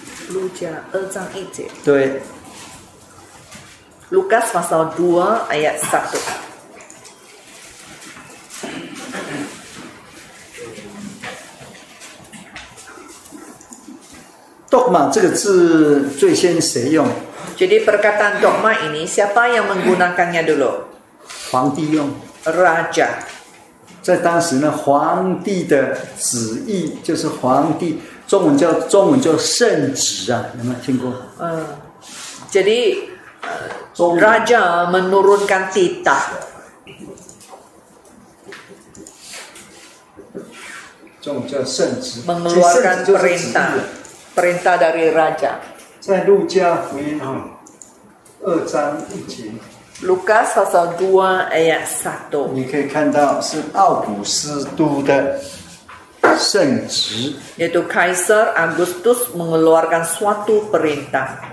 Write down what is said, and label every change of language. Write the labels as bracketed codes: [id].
[ms] Lukas 2:1. Lukas pasal 2 ayat 1. [zh] Dogma 这个字最先谁用？ [ms] Jadi perkataan dogma ini siapa yang menggunakannya dulu? [zh] 皇帝用。 [ms] Raja. [zh] 在当时呢，皇帝的旨意就是皇帝，中文叫圣旨啊，有没有听过？ [ms] Jadi raja menurunkan titah. [zh] 中文叫圣旨。 [ms] Mengeluarkan perintah. Perintah dari Raja. [zh] 在路加福音2章1节。 [ms] Lukas pasal 2 ayat 1. [zh] 你可以看到是奥古斯都的圣旨。 [ms] Yaitu Kaisar Agustus mengeluarkan suatu perintah.